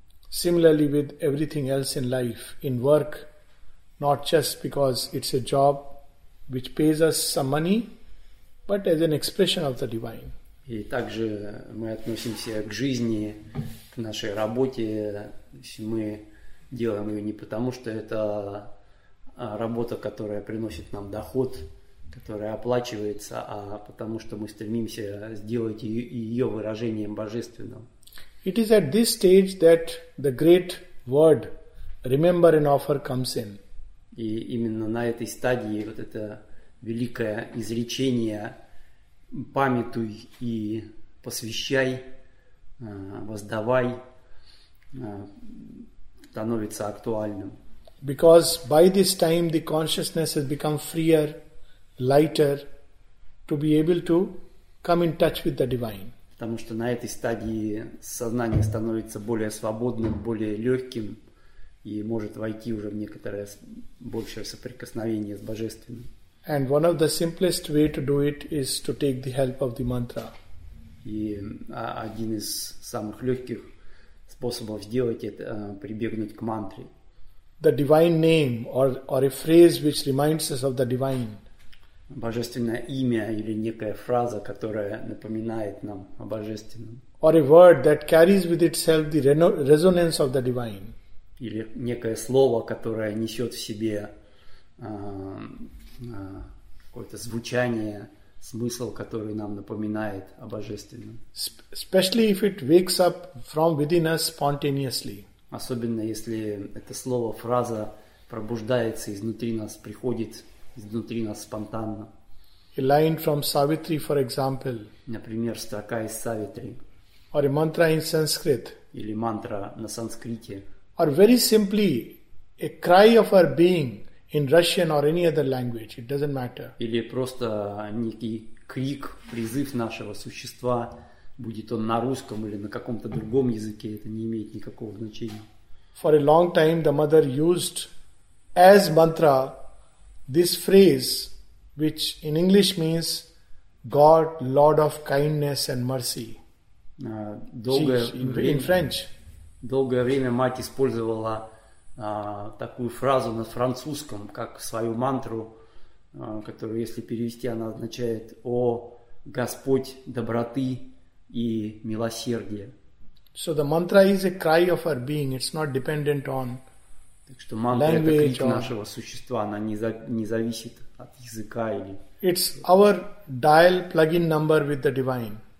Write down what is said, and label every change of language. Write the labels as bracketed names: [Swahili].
[English] Similarly with everything else in life, in work, not just because it's a job which pays us some money, but as an expression of the divine. [Russian] И также мы относимся к жизни, к нашей работе. Мы делаем ее не потому, что это работа, которая приносит нам доход, которая оплачивается, а потому что мы стремимся сделать ее выражением божественного. [English] It is at this stage that the great word remember and offer comes in. [Russian] И именно на этой стадии вот это великое изречение памятуй и посвящай, воздавай становится актуальным. [English] Because by this time the consciousness has become freer, lighter, to be able to come in touch with the divine. [Russian] Потому что на этой стадии сознание становится более свободным, более легким и может войти уже в некоторое большее соприкосновение с божественным. [English] And one of the simplest way to do it is to take the help of the mantra. [Russian] И один из самых легких способов сделать это прибегнуть к мантре. [English] The divine name or a phrase which reminds us of the divine. [Russian] Божественное имя или некая фраза, которая напоминает нам о божественном. [English] Or a word that carries with itself the resonance of the divine. [Russian] Или некое слово, которое несет в себе какое-то звучание, смысл, который нам напоминает о божественном. [English] Especially if it wakes up from within us spontaneously. [Russian] Особенно если это слово, фраза пробуждается изнутри нас, приходит изнутри нас спонтанно. [English] A line from Savitri, for example. [Russian] Например, строка из Савитри. [English] Or a mantra in Sanskrit. [Russian] Или мантра на санскрите. [English] Or very simply a cry of our being in Russian or any other language. It doesn't matter. [Russian] Или просто некий крик, призыв нашего существа, будет он на русском или на каком-то другом языке, это не имеет никакого значения. [English] For a long time the mother used as mantra this phrase, which in English means God, Lord of kindness and mercy. In French. [Russian] Долгое время мать использовала такую фразу на французском, как свою мантру, которую, если перевести, она означает «О Господь доброты и милосердия». [English] So the mantra is a cry of our being. It's not dependent on. [Russian] Так что мантра это крик нашего существа, она не зависит от языка или. [English] It's our dial plug-in number with the divine.